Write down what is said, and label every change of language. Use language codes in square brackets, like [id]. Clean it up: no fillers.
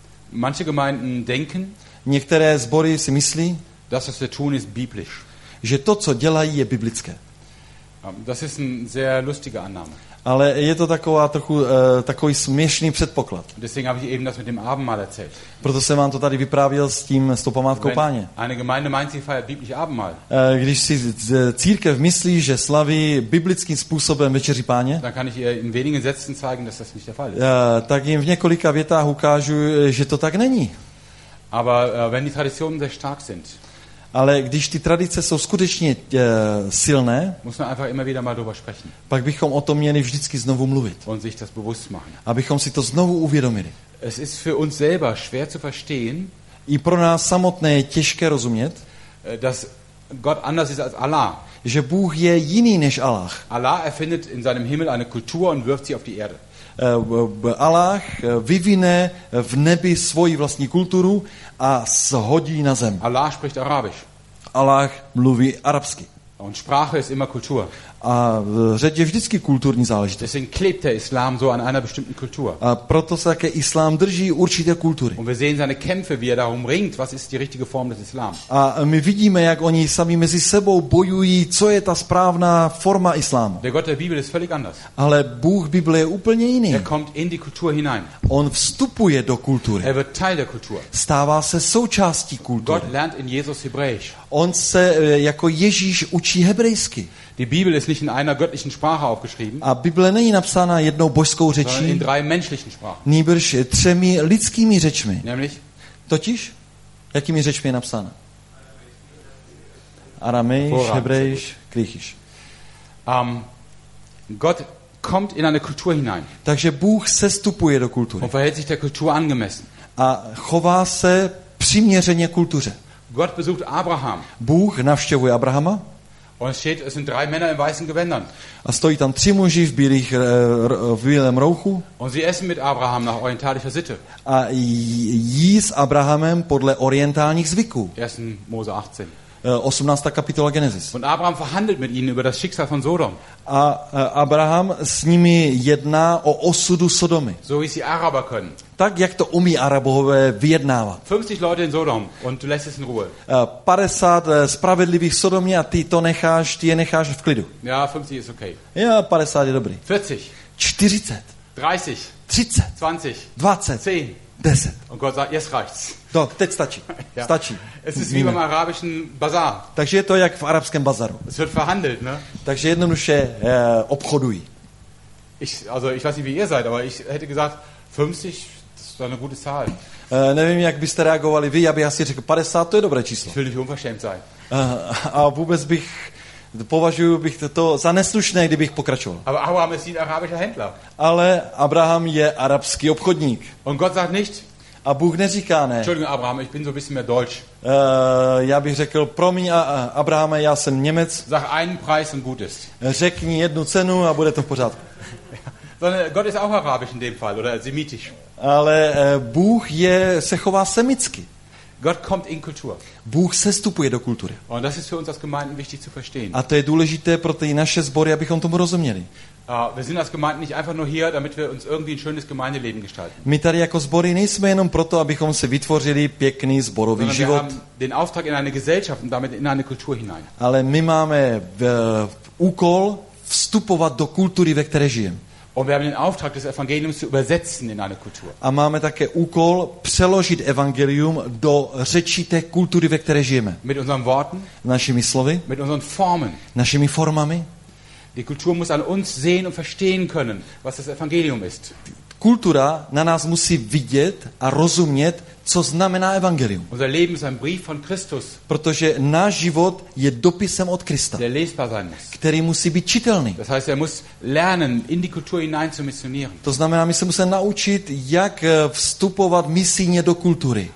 [de] Manche Gemeinden denken, [cs] některé sbory si myslí, [de] dass was wir tun ist biblisch. [cs] Že to, co dělají, je biblické. [de] Das ist ein sehr lustige Annahme. [cs] Ale je to taková trochu takový směšný předpoklad. [de] Deswegen habe ich eben das mit dem Abendmahl erzählt. [cs] Proto jsem vám to tady vyprávěl s tím s tou památkou Páně. [de] Eine Gemeinde meint, sie feiert biblisch Abendmahl. [cs] Když si církev myslí, že slaví biblickým způsobem večeři Páně, [de] dann kann ich ihr in wenigen Sätzen zeigen, dass das nicht der Fall ist. [cs] Tak jim v několika větách ukážu, že to tak není. [de] Aber wenn die Traditionen sehr stark sind. [cs] Ale když ty tradice jsou skutečně silné, musíme [de] einfach immer wieder mal drüber sprechen. [cs] Pak bychom o tom měli vždycky znovu mluvit. [de] Und sich das bewusst machen. [cs] Abychom si to znovu uvědomili. [de] Es ist für uns selber schwer zu verstehen. [cs] I pro nás samotné je těžké rozumět, [de] dass Gott anders ist als Allah. [cs] Že Bůh je jiný než Allah. [de] Allah erfindet in seinem Himmel eine Kultur und wirft sie auf die Erde. [cs] Allah vyvine v nebi svoji vlastní kulturu a shodí na zem. [de] Allah spricht arabisch. [cs] Allah mluví arabsky. [de] Und Sprache ist immer Kultur. [cs] A řeč je vždycky kulturní záležitost. [de] Deswegen klebt der Islam so an einer bestimmten Kultur. [cs] A proto se také Islám drží určité kultury. [de] Und wir sehen seine Kämpfe, wie er darum ringt, was ist die richtige Form des Islam. [cs] A my vidíme, jak oni sami mezi sebou bojují, co je ta správná forma Islámu. [de] Der Gott der Bibel ist völlig anders. [cs] Ale Bůh Bible je úplně jiný. [de] Er kommt in die Kultur hinein. [cs] On vstupuje do kultury. [de] Er wird Teil der Kultur. [cs] Stává se součástí kultury. [de] Gott lernt in Jesus Hebräisch. [cs] On se jako Ježíš učí hebrejsky. [de] Die Bibel ist nicht in einer göttlichen Sprache aufgeschrieben. [cs] A Bible není napsána jednou božskou řečí. [de] In drei menschlichen Sprachen. [cs] Nýbrž třemi lidskými řečmi. [de] Nämlich? [cs] Totiž? Jakými řečmi je napsána? [de] Aramejsch, Hebräisch, Griechisch. Gott kommt in eine Kultur hinein. [cs] Takže Bůh sestupuje do kultury. [de] Und verhält sich der Kultur angemessen. [cs] A chová se přiměřeně kultuře. [de] Gott besucht Abraham. [cs] Bůh navštěvuje Abrahama. [de] Und es sind drei Männer in weißen Gewändern. [cs] A stojí tam tři muži v bílých v bílém rouchu. [de] Und sie essen mit Abraham nach orientalischer Sitte. [cs] A jí s Abrahamem podle orientálních zvyků. [de] 1. Mose 18. [cs] 18. kapitola Genesis. [de] Und Abraham verhandelt mit ihnen über das Schicksal von Sodom. [cs] A Abraham s nimi jedná o osudu Sodomy. [de] So wie sie Araber können. [cs] Tak jak to umí Arabové vyjednávat. [de] 50 Leute in Sodom und du lässt es in Ruhe. [cs] 50 spravedlivých Sodomě a ty je necháš v klidu. [de] Ja, 50 ist okay. [cs] Ja, 50 je dobrý. [de] 40. [cs] 40. [de] 30. [cs] 30. [de] 20. [cs] 20. [de] 10. [cs] 10. [de] Und Gott sagt, jetzt reicht's. Doch, [cs] teď stačí. Ja. Stačí. [de] Es ist wie beim arabischen Bazar. [cs] Takže je to jak v arabském bazaru. [de] Es wird verhandelt, ne? [cs] Takže jednoduše obchodují. [de] Ich weiß nicht, wie ihr seid, aber ich hätte gesagt, 50, das ist eine gute Zahl. [cs] Nevím, jak byste reagovali vy, já bych asi řekl, 50, to je dobré číslo. [de] Ich will nicht unverschämt sein. [cs] A vůbec bych, považuji bych to za neslušné, kdybych pokračoval. [de] Aber Abraham ist ein arabischer Händler. [cs] Ale Abraham je arabský obchodník. [de] Und Gott sagt nicht, [cs] a Bůh neříká ne. [de] Entschuldigung, Abraham, ich bin so ein bisschen mehr Deutsch. [cs] Já bych řekl, promiň, Abrahame, já jsem Němec. [de] Sag einen Preis und gut ist. [cs] Řekni jednu cenu a bude to v pořádku. [de] Gott ist auch arabisch in dem Fall, oder semitisch. [cs] Ale Bůh se chová semitsky. [de] Gott kommt in Kultur. [cs] Bůh sestupuje do kultury. [de] Und das ist für uns als Gemeinden wichtig zu verstehen. [cs] A to je důležité pro ty naše sbory, abychom tomu rozuměli. [de] Wir sind als Gemeinden nicht einfach nur hier, damit wir uns irgendwie ein schönes Gemeindeleben gestalten. [cs] My tady jako sbory nejsme jenom proto, abychom si vytvořili pěkný sborový život. [de] Wir haben den Auftrag in eine Gesellschaft und damit in eine Kultur hinein. [cs] Ale my máme úkol vstupovat do kultury, ve které žijeme. [de] Und wir haben den Auftrag des Evangeliums zu übersetzen in eine Kultur. [cs] A máme také úkol přeložit evangelium do řeči té kultury, ve které žijeme. [de] Mit unseren Worten, [cs] našimi slovy, [de] mit unseren Formen, [cs] našimi formami. [de] Die Kultur muss an uns sehen und verstehen können, was das Evangelium ist. [cs] Kultura na nás musí vidět a rozumět, co znamená evangelium. [de] Unser Leben ist ein Brief von Christus. [cs] Protože náš život je dopisem od Krista. [de] Der lesbar sein muss. [cs] Který musí být čitelný. [de] Das heißt, er muss lernen, in die Kultur hinein zu missionieren. [cs] To znamená, my se musíme naučit, jak vstupovat misijně do kultury.